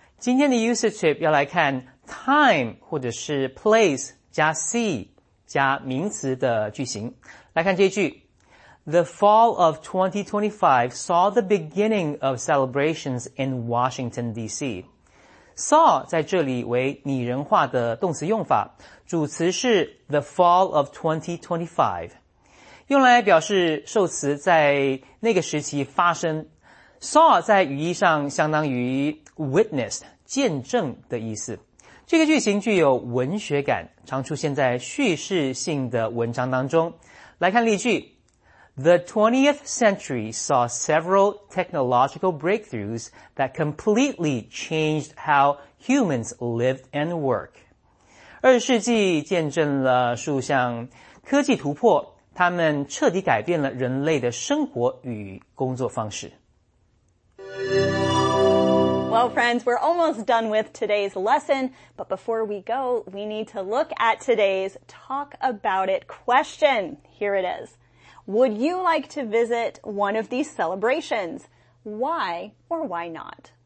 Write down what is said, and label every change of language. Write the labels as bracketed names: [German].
[Chinese] 今天的 usage tip 要来看 time 或者是 place 加 C 加名词的句型。来看这句。 [English] The fall of 2025 saw the beginning of celebrations in Washington, D.C. [Chinese] Saw 在这里为拟人化的动词用法，主词是 [English] the fall of 2025， [Chinese] 用来表示受词在那个时期发生。 Saw 在语义上相当于 witnessed， 见证的意思。这个句型具有文学感，常出现在叙事性的文章当中。来看例句。 [English] The 20th century saw several technological breakthroughs that completely changed how humans lived and work. [Chinese] 20世纪见证了数项科技突破，它们彻底改变了人类的生活与工作方式。 [English] Well, friends, we're almost done with today's lesson, but before we go, we need to look at today's talk about it question. Here it is. Would you like to visit one of these celebrations? Why or why not?